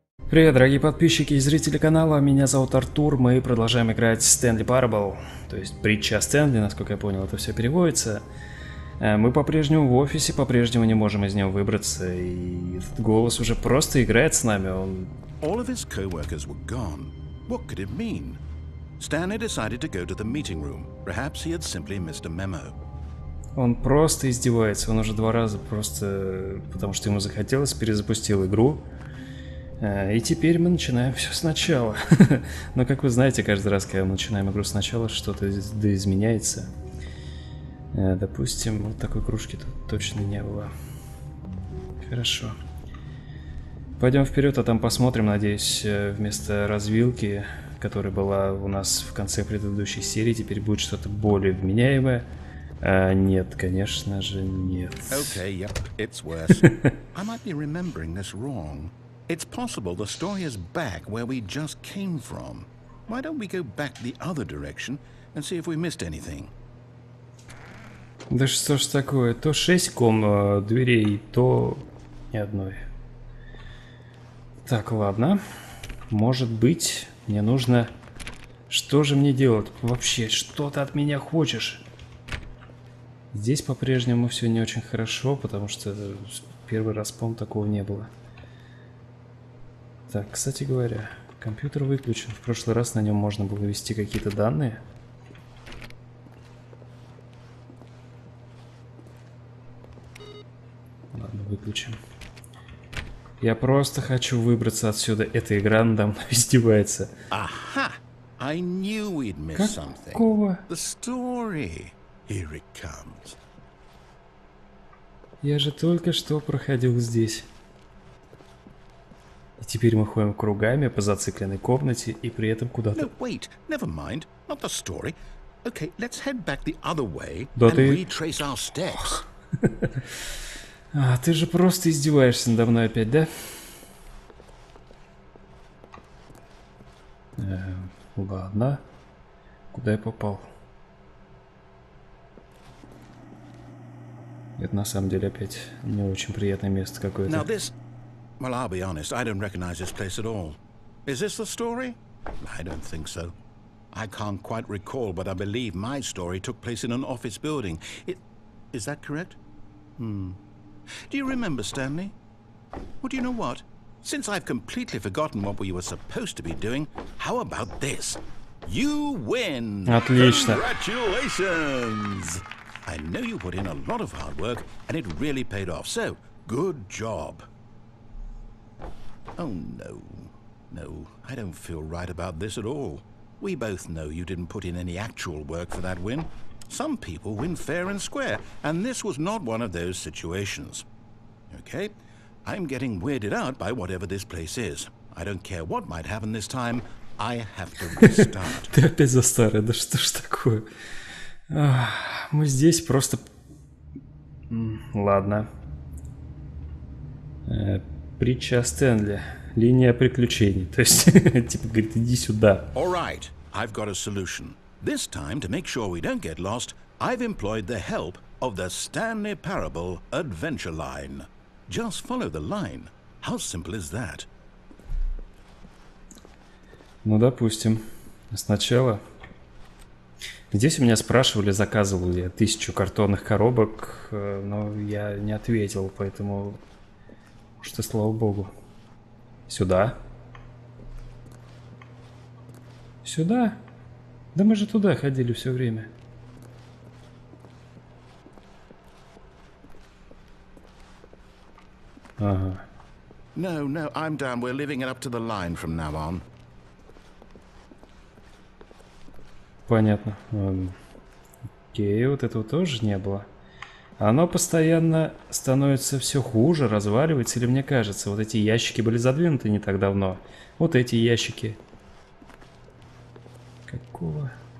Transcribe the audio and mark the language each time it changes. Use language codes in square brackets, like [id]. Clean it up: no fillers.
[ru] Привет, дорогие подписчики и зрители канала, меня зовут Артур, мы продолжаем играть в Stanley Parable, то есть притча о Стэнли, насколько я понял, это все переводится. Мы по-прежнему в офисе, по-прежнему не можем из него выбраться, и этот голос уже просто играет с нами, он... [en] All of his co-workers were gone. What could it mean? Stanley decided to go to the meeting room. Perhaps he had simply missed a memo. [ru] Он просто издевается, он уже два раза просто, потому что ему захотелось, перезапустил игру. И теперь мы начинаем все сначала. Но как вы знаете, каждый раз, когда мы начинаем игру сначала, что-то изменяется. Допустим, вот такой кружки тут точно не было. Хорошо. Пойдем вперед, а там посмотрим, надеюсь, вместо развилки, которая была у нас в конце предыдущей серии, теперь будет что-то более вменяемое. Нет, конечно же, нет. [en] Okay, yep, it's worse. I might be remembering this wrong. It's possible the story is back where we just came from. Why don't we go back the other direction and see if we missed anything? [ru] Да что ж такое? То шесть ком дверей, то ни одной. Так, ладно. Может быть, мне нужно... Что же мне делать? Вообще, что ты от меня хочешь? Здесь по-прежнему все не очень хорошо, потому что первый раз, по-моему, такого не было. Так, кстати говоря, компьютер выключен. В прошлый раз на нем можно было ввести какие-то данные. Ладно, выключим. Я просто хочу выбраться отсюда. Эта игра надо мной издевается. Ага! [en] I knew we'd miss something. [ru] Какого? [en] The story. Here it comes. [ru] Я же только что проходил здесь. И теперь мы ходим кругами по зацикленной комнате и при этом куда-то... [en] No, wait, never mind, not the story. Okay, let's head back the other way and [ru] да ты... [en] retrace our steps. [ru] А, ты же просто издеваешься надо мной опять, да? Ладно. Куда я попал? Это на самом деле опять не очень приятное место какое-то. [en] Well, I'll be honest, I don't recognize this place at all. Is this the story? I don't think so. I can't quite recall, but I believe my story took place in an office building. Is that correct? Do you remember, Stanley? Well, do you know what? Since I've completely forgotten what we were supposed to be doing, how about this? You win! [ru] Отлично. [en] Congratulations! I know you put in a lot of hard work, and it really paid off. So, good job. Oh no, no, I don't feel right about this at all. We both know you didn't put in any actual work for that win. Some people win fair and square, and this was not one of those situations. Okay, I'm getting weirded out by whatever this place is. I don't care what might happen this time, I have to restart. [ru] Ты опять за старое, да что ж такое? Мы здесь просто... Ладно. Притча о Стэнли. Линия приключений. То есть, типа, говорит, иди сюда. [en] All right, I've got a solution. This time, to make sure we don't get lost, I've employed the help of the Stanley Parable Adventure Line. Just follow the line. How simple is that? [ru] Ну, допустим. Сначала... Здесь у меня спрашивали, заказывал ли я 1000 картонных коробок, но я не ответил, поэтому... Что, слава богу. Сюда. Сюда? Да мы же туда ходили все время. Ага. [en] No, no, I'm done. We're leaving it up to the line from now on. [ru] Понятно. Окей, вот этого тоже не было. Оно постоянно становится все хуже, разваливается, или мне кажется? Вот эти ящики были задвинуты не так давно. Вот эти ящики. Какого?